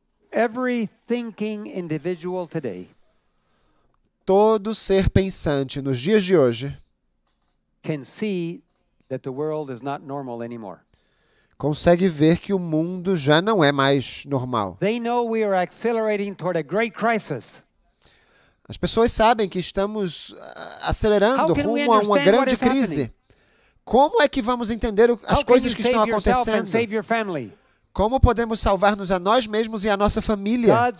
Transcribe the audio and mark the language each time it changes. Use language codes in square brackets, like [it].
[en] Every thinking individual today. [pt] Todo ser pensante nos dias de hoje [en] can see that the world is not normal anymore. [pt] Consegue ver que o mundo já não é mais normal. [en] They know we are accelerating toward a great crisis. [pt] As pessoas sabem que estamos acelerando rumo a uma grande crise. Como é que vamos entender as coisas que estão acontecendo? Como podemos salvar-nos a nós mesmos e a nossa família?